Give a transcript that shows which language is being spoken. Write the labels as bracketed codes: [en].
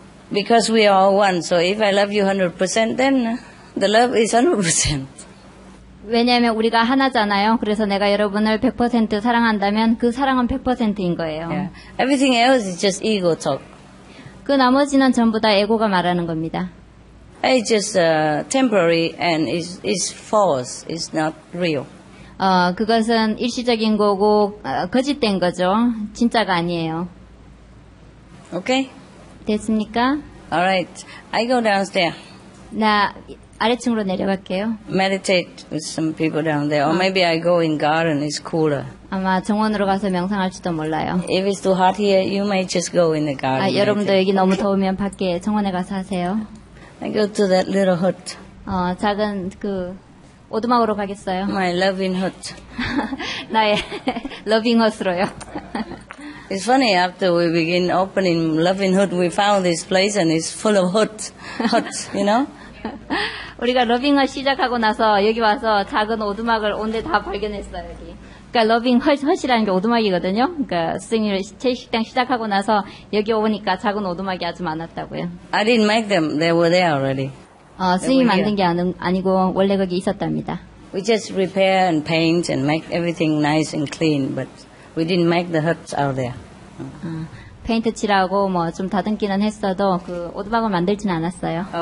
[en] Because we are one, so if I love you 100%, then the love is 100%. [ko] 왜냐하면 우리가 하나잖아요. 그래서 내가 여러분을 100% 사랑한다면 그 사랑은 100%인 거예요. [en] Yeah. Everything else is just ego talk. [ko] 그 나머지는 전부 다 에고가 말하는 겁니다. [en] It's just temporary and it's false. It's not real. [ko] 그것은 일시적인 거고 거짓된 거죠. 진짜가 아니에요. [en] Okay. [ko] 됐습니까? [en] All right. I go downstairs. [ko] 나 아래층으로 내려갈게요. [en] Meditate with some people down there. Or maybe I go in garden. It's cooler. [ko] 아마 정원으로 가서 명상할지도 몰라요. [en] If it's too hot here, you may just go in the garden. [ko] 여러분도 여기 너무 더우면 밖에 정원에 가서 하세요. [en] I go to that little hut. [ko] 작은 그 오두막으로 가겠어요. [en] My loving hut. [ko] 나의 loving hut으로요. [en] It's funny, after we begin opening loving hut, we found this place and it's full of hut, you know? [ko] 우리가 loving hut 시작하고 나서 여기 와서 작은 오두막을 온 데 다 발견했어요, 여기. 그러니까 loving hut이라는 게 오두막이거든요. 그러니까 스승님 제 식당 시작하고 나서 여기 오니까 작은 오두막이 아주 많았다고요. [en] I didn't make them. They were there already. [ko] 스승님 만든 게 아니고 원래 거기 있었답니다. [en] We just repair and paint and make everything nice and clean, but we didn't make the huts out there. [ko] 페인트 칠하고 뭐 좀 다듬기는 했어도 그 오두막을 만들지는 않았어요.